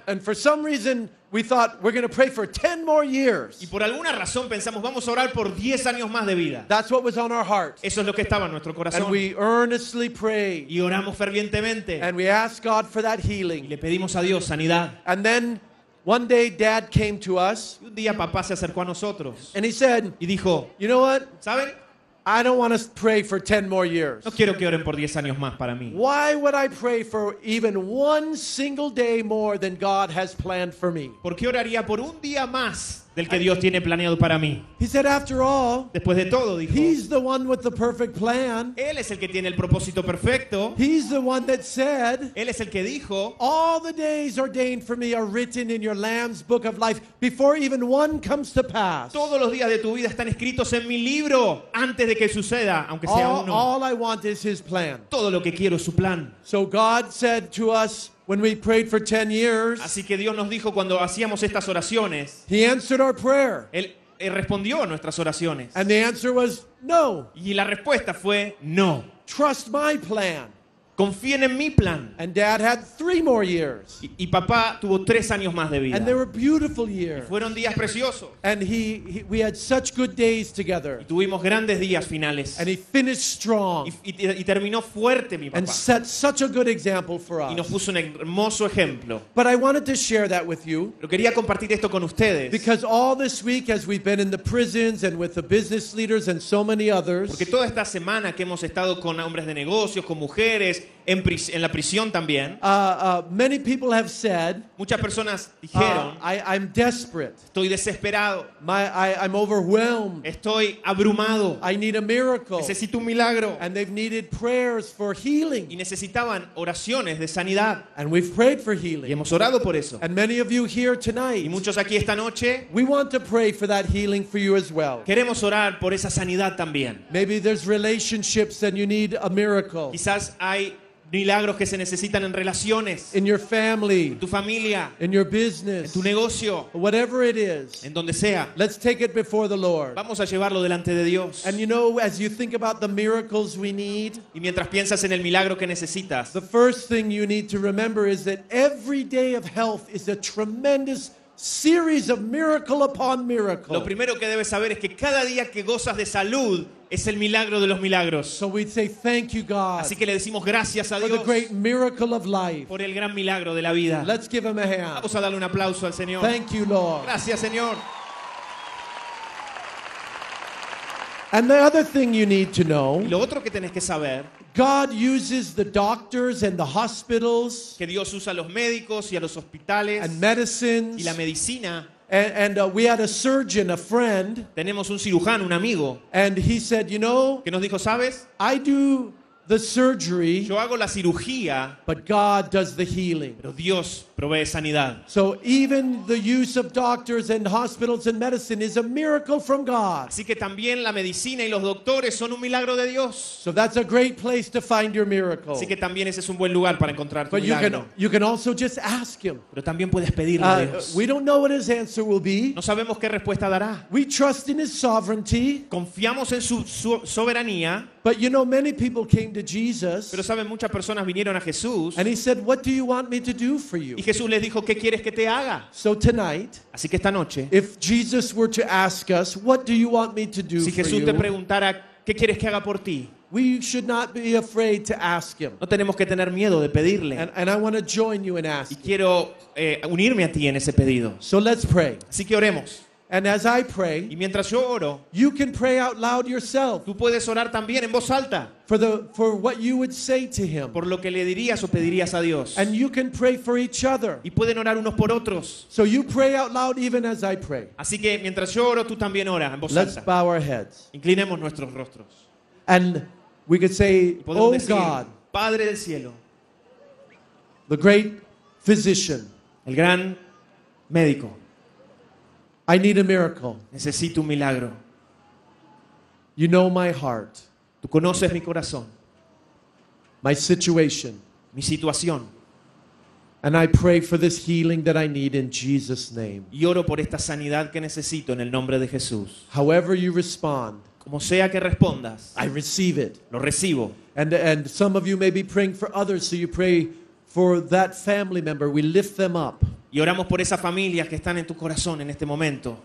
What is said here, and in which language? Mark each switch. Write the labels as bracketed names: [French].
[English] And for some reason we thought we're going to pray for 10 more years. [Spanish] Y por alguna razón pensamos vamos a orar por 10 años más de vida. [English] That's what was on our heart. [Spanish] Eso es lo que estaba en nuestro corazón. [English] And we earnestly prayed. [Spanish] Y oramos fervientemente. [English] And we asked God for that healing. [Spanish] Y le pedimos a Dios sanidad. [English] And then one day Dad came to us. [Spanish] Y un día papá se acercó a nosotros. [English] And he said, [Spanish] y dijo, [English] "You know what? [Spanish] ¿Saben? [English] I don't want to pray for 10 more years. [Spanish] No quiero que oren por 10 años más para mí. [English] Why would I pray for even one single day more than God has planned for me? [Spanish] ¿Por qué oraría por un día más del que Dios tiene planeado para mí? [English] He said, after all, [Spanish] después de todo, dijo, [English] he's the one with the perfect plan. [Spanish] Él es el que tiene el propósito perfecto. [English] He's the one that said, [Spanish] él es el que dijo, [English] all the days ordained for me are written in your Lamb's book of life before even one comes to pass. [Spanish] Todos los días de tu vida están escritos en mi libro antes de que suceda, aunque sea uno. [English] All I want is his plan. [Spanish] Todo lo que quiero es su plan. [English] So God said to us, when we prayed for 10 years, [Spanish] así que Dios nos dijo cuando hacíamos estas oraciones, [English] he answered our prayer. [Spanish] Él respondió a nuestras oraciones. [English] And the answer was no. [Spanish] Y la respuesta fue no. [English] Trust my plan. [Spanish] Confíen en mi plan. [English] And Dad had 3 more years. [Spanish] Y papá tuvo 3 años más de vida. [English] And they were beautiful years. [Spanish] Y fueron días preciosos. [English] And we had such good days together. [Spanish] Y tuvimos grandes días finales. [English] And he finished strong. [Spanish] Y terminó fuerte mi papá. [English] And set such a good example for us. [Spanish] Y nos puso un hermoso ejemplo. [English] But I wanted to share that with you. [Spanish] Pero quería compartir esto con ustedes. [English] Because all this week as we've been in the prisons and with the business leaders and so many others. [Spanish] Porque toda esta semana que hemos estado con hombres de negocios, con mujeres, en la prisión también. [English] Many people have said, [Spanish] muchas personas dijeron, [English] I'm desperate. [Spanish] Estoy desesperado. [English] I'm overwhelmed. [Spanish] Estoy abrumado. [English] I need a miracle. [Spanish] Necesito un milagro. [English] And they've needed prayers for healing. [Spanish] Y necesitaban oraciones de sanidad. [English] And we've prayed for healing. [Spanish] Y hemos orado por eso. [English] And many of you here tonight, [Spanish] y muchos aquí esta noche, [English] we want to pray for that healing for you as well. [Spanish] Queremos orar por esa sanidad también. [English] Maybe there's relationships and you need a miracle. [Spanish] Quizás hay milagros que se necesitan en relaciones, [English] in your family, [Spanish] en tu familia, [English] in your business, [Spanish] en tu negocio, [English] whatever it is, [Spanish] en donde sea. [English] Let's take it before the Lord. [Spanish] Vamos a llevarlo delante de Dios. [English] And you know, as you think about the miracles we need, [Spanish] y mientras piensas en el milagro que necesitas, [English] the first thing you need to remember is that every day of health is a tremendous series of miracle upon miracle. [Spanish] Lo primero que debes saber es que cada día que gozas de salud es el milagro de los milagros. [English] So we say thank you, God. [Spanish] Así que le decimos gracias a [English] for [Spanish] Dios. [English] For the great miracle of life. [Spanish] Por el gran milagro de la vida. [English] Let's give him a hand. [Spanish] Vamos a darle un aplauso al Señor. [English] Thank you, Lord. [Spanish] Gracias, Señor. [English] And the other thing you need to know. [Spanish] Y lo otro que tenés que saber. [English] God uses the doctors and the hospitals. [Spanish] Que Dios usa los médicos y a los hospitales. [English] And medicines. [Spanish] Y la medicina. [English] And we had a surgeon, a friend. [Spanish] Tenemos un cirujano, un amigo. [English] And he said, you know, [Spanish] que nos dijo, ¿sabes? [English] I do the surgery. [Spanish] Yo hago la cirugía. [English] But God does the healing. [Spanish] Pero Dios provee sanidad. [English] So even the use of doctors and hospitals and medicine is a miracle from God. [Spanish] Así que también la medicina y los doctores son un milagro de Dios. [English] So that's a great place to find your miracle. [Spanish] Así que también ese es un buen lugar para encontrar tu milagro. [English] But you can also just ask him. [Spanish] Pero también puedes pedirle a Dios. [English] We don't know what his answer will be. [Spanish] No sabemos qué respuesta dará. [English] We trust in his sovereignty. [Spanish] Confiamos en su soberanía. [English] But you know, many people came to Jesus. [Spanish] Pero saben, muchas personas vinieron a Jesús. [English] And he said, "What do you want me to do for you?" [Spanish] Y Jesús les dijo, ¿qué quieres que te haga? [English] So tonight, [Spanish] así que esta noche, [English] if Jesus were to ask us, "What do you want me to do for you?" [Spanish] Si Jesús te preguntara, ¿qué quieres que haga por ti? [English] We should not be afraid to ask him. [Spanish] No tenemos que tener miedo de pedirle. [English] And I want to join you in asking. [Spanish] Y quiero unirme a ti en ese pedido. [English] So let's pray. [Spanish] Así que oremos. [English] And as I pray, [Spanish] y mientras yo oro, [English] you can pray out loud yourself. [Spanish] Tú puedes orar también en voz alta. [English] For what you would say to him. [Spanish] Por lo que le dirías o pedirías a Dios. [English] And you can pray for each other. [Spanish] Y pueden orar unos por otros. [English] So you pray out loud even as I pray. [Spanish] Así que mientras yo oro, tú también ora en voz [English] Let's [Spanish] alta. [English] Let's bow our heads. [Spanish] Inclinemos nuestros rostros. [English] And we could say, oh [Spanish] decir, [English] God, [Spanish] Padre del cielo. [English] The great physician. [Spanish] El gran médico. [English] I need a miracle. [Spanish] Necesito un milagro. [English] You know my heart. [Spanish] Tú conoces mi corazón. [English] My situation. [Spanish] Mi situación. [English] And I pray for this healing that I need in Jesus' name. [Spanish] Y oro por esta sanidad que necesito en el nombre de Jesús. [English] However you respond. [Spanish] Como sea que respondas. [English] I receive it. [Spanish] Lo recibo. [English] And some of you may be praying for others, so you pray for that family member. We lift them up. [Spanish] Y oramos por esas familias que están en tu corazón en este momento.